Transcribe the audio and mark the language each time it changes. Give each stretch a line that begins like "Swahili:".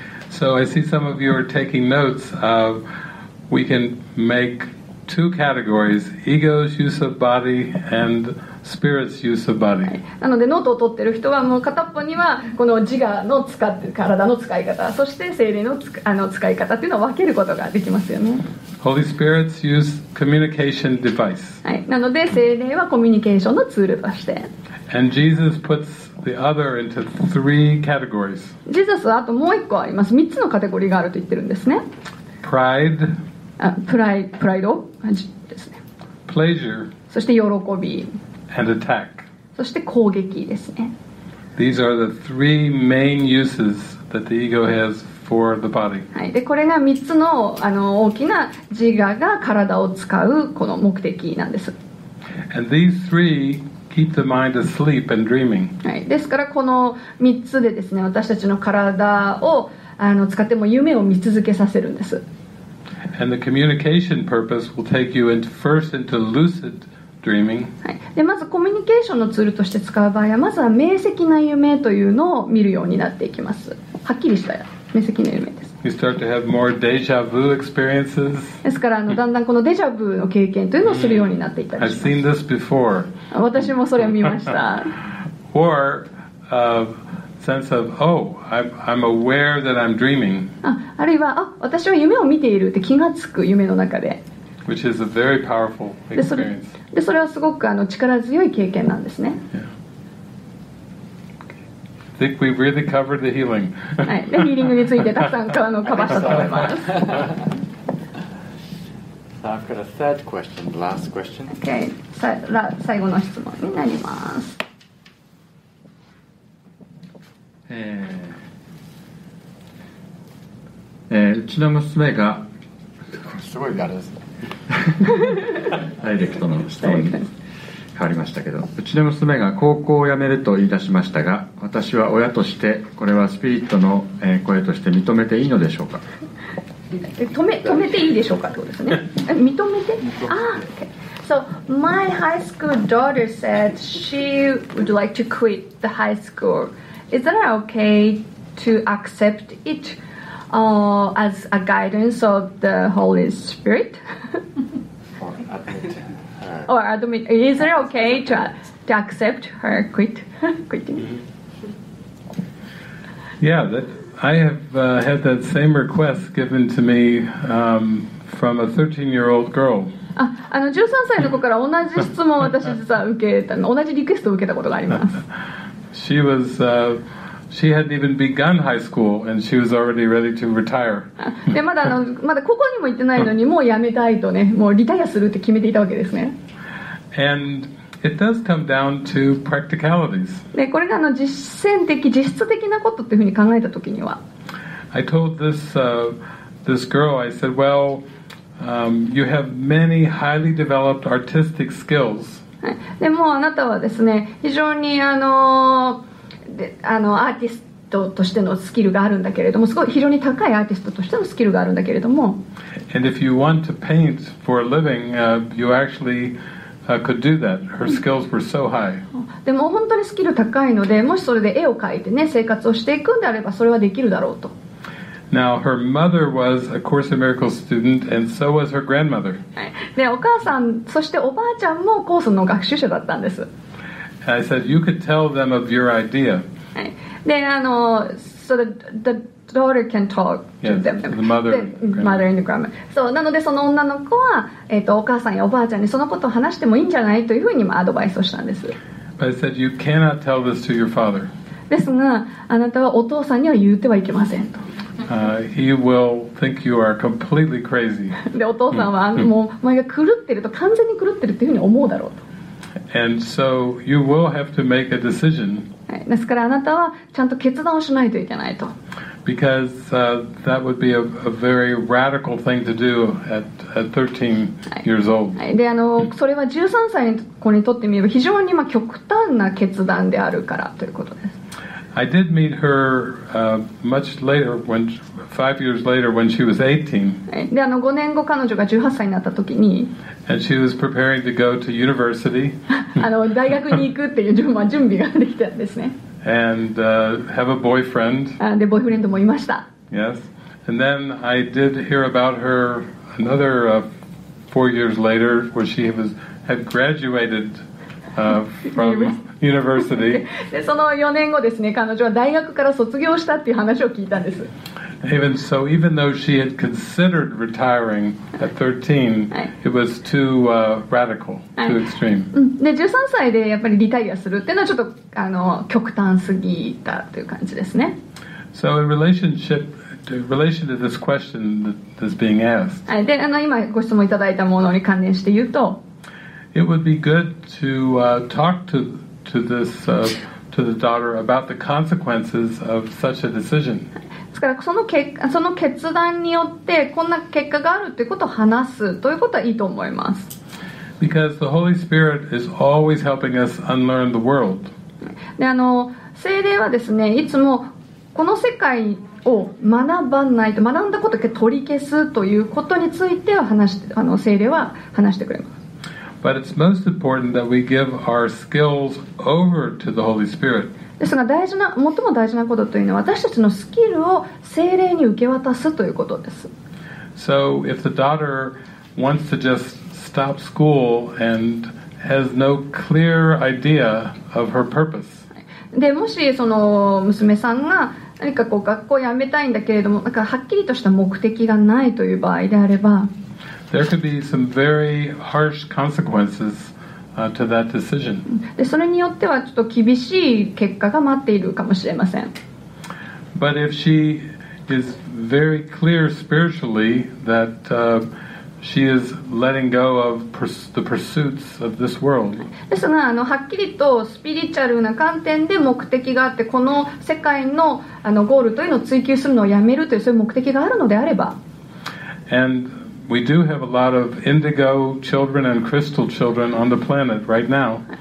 English: So I see some of you are taking notes. We can make two categories: ego's use of body and spirit's use of body.
Japanese: なのでノートを取ってる人はもう片っぽにはこの自我の使って体の使い方、そして精霊のあの使い方っていうのを分けることができますよね。
English: Holy Spirit's use communication device.
Japanese: はい、なので精霊はコミュニケーションのツールとして。
English: And Jesus puts the other into three categories.
Japanese: ジーザスはあともう一個あります。3つのカテゴリーがあると言ってるんですね。
English: Pride.
Japanese: プライド。ですね。
English: Pleasure.
Japanese: そして喜び。
English: And attack.
Japanese: そして攻撃ですね。
English: These are the three main uses that the ego has for the body.
Japanese: はい。で、これが3つの、あの、大きな自我が体を使うこの目的なんです。
English: And these threeKeep the mind asleep and dreaming.
Japanese: はい、ですからこの3つでですね、私たちの体をあの使っても夢を見続けさせるんです。
English: And the communication purpose will take you into first into lucid dreaming.
Japanese: はい、でまずコミュニケーションのツールとして使う場合は、まずは明晰な夢というのを見るようになっていきます。はっきりした明晰な夢です。
English: You start to have more déjà vu experiences.
Japanese: ですからあのだんだんこのデジャブの経験というのをするようになっていたりします。
English: I've seen this before.
Japanese: 私もそれを見ました。
English: Or a sense of, oh, I'm aware that I'm dreaming.
Japanese: あるいは、あ、私は夢を見ているって気がつく夢の中で。
English: Which is a very powerful experience.
Japanese: で、それはすごくあの力強い経験なんですね。
English: Yeah. I think we've really covered the healing.
Japanese: はい、ヒーリングについてたくさんあのカバーしたと思います。
English: So I've got a third question, last question.
Japanese: Okay, 最後の質問になります。うちの娘が、すごいあれですね。ダイレクトの質問です。変わりましたけど、うちの娘が高校を辞めると言い出しましたが、私は親としてこれはスピリットの声として認めていいのでしょうか。止めていいでしょうかってことですね。認めて。
English: ああ、ah, okay. So my high school daughter said she would like to quit the high school. Is that okay to accept it as a guidance of the Holy Spirit? Or admit, is it okay to accept her quitting? Yeah, I have had that same request given to me from a 13-year-old girl.
Japanese: あ、あの13歳の子から同じ質問を私実は受けた、同じリクエストを受けたことがあります。
English: She was, she hadn't even begun high school and she was already ready to retire.
Japanese: で、まだあの、まだ高校にも行ってないのにもう辞めたいとね、もうリタイアするって決めていたわけですね。
English: And it does come down to practicalities.
Japanese: で、これがあの実践的、実質的なことっていうふうに考えたときには。
English: I told this, this girl, I said, well, you have many highly developed artistic skills.
Japanese: でもあなたはですね、非常にあの、あのアーティストとしてのスキルがあるんだけれども、すごい非常に高いアーティストとしてのスキルがあるんだけれども。
English: And if you want to paint for a living, you actually... could do that. Her skills were so high.
Japanese: でも本当にスキル高いので、もしそれで絵を描いてね、生活をしていくんであれば、それはできるだろうと。
English: Now her mother was a Course in Miracles student, and so was her grandmother.
Japanese: はい。で、お母さん、そしておばあちゃんもコースの学習者だったんです。
English: And I said you could tell them of your idea.
Japanese: はい。
English: で、あの、so the daughter can talk to them. Yes, the mother, the mother and the grandma.
Japanese: So, なのでその女の子は、お母さんやおばあちゃんにそのことを話してもいいんじゃないというふうにアドバイスをしたんです。
English: But I said, you cannot tell this to your father.
Japanese: ですが、あなたはお父さんには言ってはいけませんと。
English: He will think you are completely crazy.
Japanese: で、お父さんはもうお前が狂ってると、完全に狂ってるというふうに思うだろうと。
English: And so you will have to make a decision.
Japanese: ですからあなたはちゃんと決断をしないといけないと。
English: Because that would be a very radical thing to do at 13 years old.
Japanese: はい。で、あの、それは13歳の子にとってみれば非常にまあ極端な決断であるからということです。
English: I did meet her much later, when, 5 years later, when she was 18.
Japanese: で、あの、5年後彼女が18歳になった時に。
English: And she was preparing to go to university.
Japanese: あの、大学に行くっていう、まあ、準備ができたんですね。
English: And have a boyfriend.
Japanese: で、ボーイフレンドもいました。
English: Yes. And then I did hear about her another 4 years later, where she was, had graduated from... University.
Japanese: でその4年後ですね、彼女は大学から卒業したっていう話を聞いたんです。
English: Even so, even though she had considered retiring at 13, it was too radical, too extreme.
Japanese: で13歳でやっぱりリタイアするっていうのはちょっとあの極端すぎたっていう感じですね。
English: So in relationship, in relation to this question that is being asked.
Japanese: で、あの今ご質問いただいたものに関連して言うと、
English: It would be good to talk to to this to the daughter about the consequences of such a decision.
Japanese: ですからその結その決断によってこんな結果があるということを話すということはいいと思います。
English: Because the Holy Spirit is always helping us unlearn the world.
Japanese: で、あの、聖霊はですね、いつもこの世界を学ばないと学んだことを取り消すということについては話してあの聖霊は話してくれます。
English: But it's most important that we give our skills over to the Holy Spirit.
Japanese: ですが大事な最も大事なことというのは私たちのスキルを聖霊に受け渡すということです。
English: So if the daughter wants to just stop school and has no clear idea of her purpose.
Japanese: でもしその娘さんが何かこう学校を辞めたいんだけれどもなんかはっきりとした目的がないという場合であれば。
English: There could be some very harsh consequences to that decision.
Japanese: で、それによってはちょっと厳しい結果が待っているかもしれません。
English: But if she is very clear spiritually that she is letting go of the pursuits of this world.
Japanese: ですが、あの、はっきりとスピリチュアルな観点で目的があって、この世界の、あの、ゴールというのを追求するのをやめるというそういう目的があるのであれば。
English: And We do have a lot of indigo children and crystal children on the planet right now.